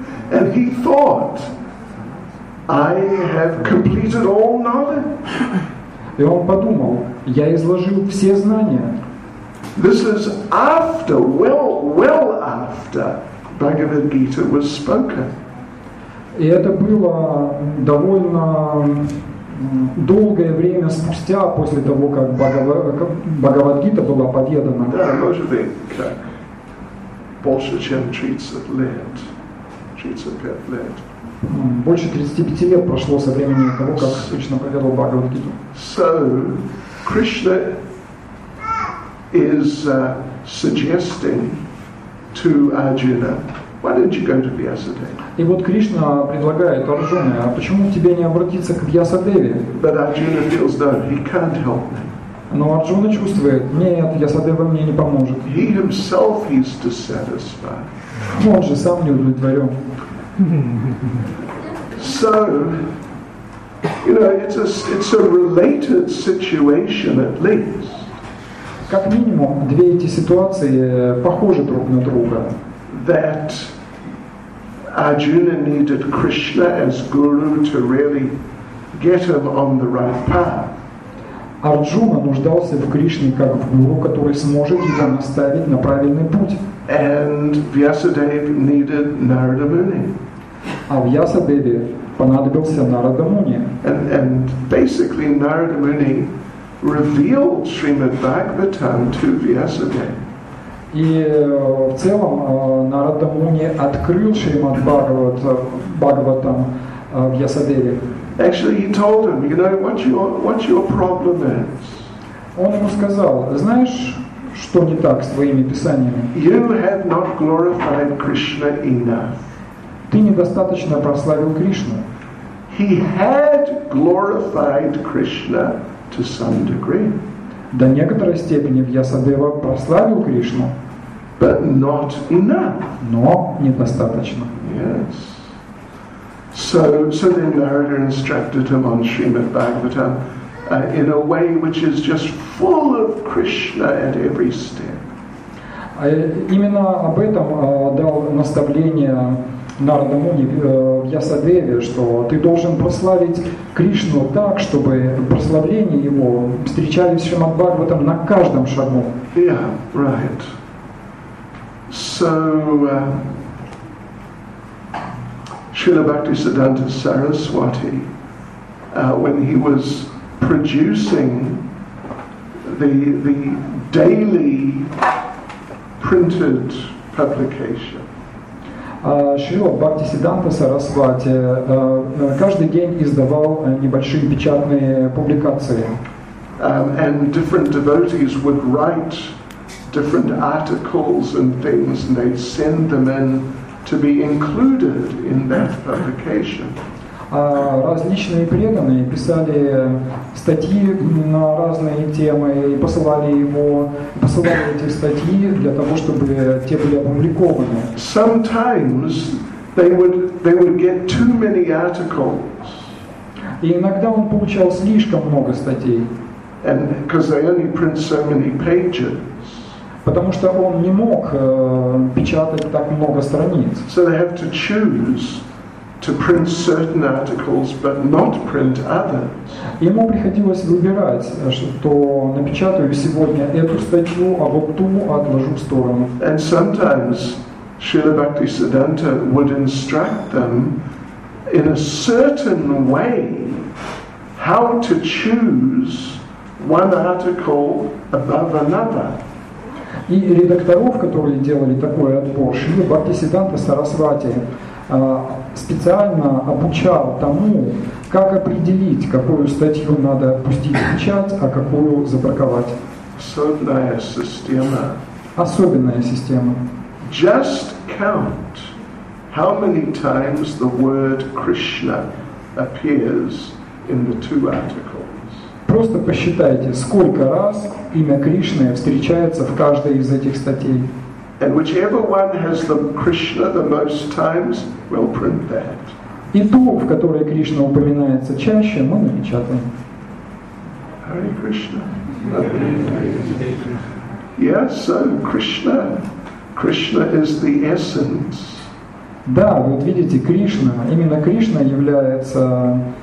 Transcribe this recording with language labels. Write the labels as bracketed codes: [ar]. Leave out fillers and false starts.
[en] And he thought, I have completed all knowledge. [ru] И он подумал, я изложил все знания. [en] This is after, well after Bhagavad Gita was spoken. [ru] И это было довольно долгое время спустя, после того, как Бхагавад-гита была подъедена. Да, может быть, как больше, чем 30 лет. 35 лет. Больше 35 лет прошло со времени того, как Кришна поведал Бхагавад-гиту. [en] So, Krishna is suggesting to Arjuna, why didn't you go to Vyasadeva? [ru] И вот Кришна предлагает Арджуне, а почему тебе не обратиться к Вьясадеве? [en] But Arjuna feels that he can't help me. [ru] Но Арджуна чувствует, нет, Вьясадева мне не поможет. [en] He himself is dissatisfied. [ru] Ну, он же сам не удовлетворен. [en] So, you know, it's a related situation at least. [ru] Как минимум, две эти ситуации похожи друг на друга. [en] That Arjuna needed Krishna as guru to really get him on the right path. [ru] Арджуна нуждался в Кришне как в гуру, который сможет его наставить на правильный путь. [en] And Vyasadeva needed Narada Muni. [ru] А Вьясадеве понадобился Нарада Муни. [en] And basically Narada Muni revealed Srimad Bhagavatam to Vyasadeva. [ru] И в целом Нарада Муни открыл Шримад Бхагаватам в Ясадеве. [en] Actually, he told him, you know, what your problem is. [ru] Он ему сказал, знаешь, что не так с твоими писаниями? [en] You have not glorified Krishna enough. [ru] Ты недостаточно прославил Кришну. [en] He had glorified Krishna to some degree. [ru] До некоторой степени Вьясадева прославил Кришну. [en] But not enough. [ru] Но недостаточно. [en] Yes. So then Narada instructed him on Srimad Bhagavatam in a way which is just full of Krishna at every step. [ru] Именно об этом дал наставление Нарада Муни в Ясадеве, что ты должен прославить Кришну так, чтобы прославление Его встречались с Шримад Бхагаватам на каждом шагу. [en] Yeah, right. So, Srila Bhaktisiddhanta Saraswati, when he was producing the daily printed publication, [ru] Шрила Бхактисиддханта Сарасвати каждый день издавал небольшие печатные публикации. [en] And different devotees would write different articles and things, and they'd send them in to be included in that publication. [ru] Различные преданные писали статьи на разные темы и посылали эти статьи для того, чтобы те были опубликованы. [en] Sometimes they would get too many articles. [ru] И иногда он получал слишком много статей. [en] And because they only print so many pages. [ru] Потому что он не мог печатать так много страниц. [en] So they have to choose to print certain articles, but not print others. [ru] Ему приходилось выбирать, что напечатаю сегодня эту статью, а вот ту отложу в сторону. [en] And sometimes Srila Bhaktisiddhanta would instruct them in a certain way how to choose one article above another. [ru] И редакторов, которые делали такой отбор, Шрила Бхактисиддханта Сарасвати специально обучал тому, как определить, какую статью надо пустить в печать, а какую забраковать. Особенная система. Особенная система. [en] Just count how many times the word Krishna appears in the two articles. [ru] Просто посчитайте, сколько раз имя Кришны встречается в каждой из этих статей. [en] And whichever one has the Krishna the most times, we'll print that. [ru] И ту, в которой Кришна упоминается чаще, мы напечатаем. [en] Hare Krishna. Yeah, so Krishna. Krishna is the essence. [ru] Да, вот видите, Кришна. Именно Кришна является